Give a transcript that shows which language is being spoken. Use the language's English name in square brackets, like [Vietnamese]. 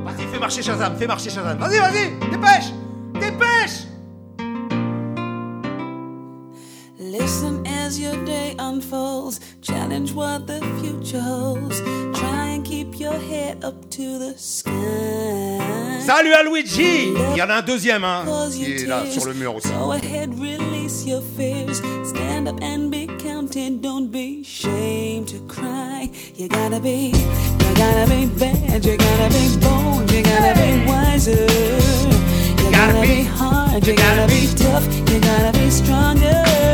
[French] Fais marcher Shazam, vas-y, vas-y, dépêche, dépêche. [English] Listen as your day unfolds, challenge what the future holds, try and keep your head up to the sky. [French] Salut à Luigi, il y en a un deuxième, hein, qui est là sur le mur aussi. [English] Go ahead, release your fears, stand up and be counted, don't be ashamed to cry. You gotta be bad, you gotta be bold, you gotta be wiser. You gotta be hard, you gotta be tough, you gotta be stronger.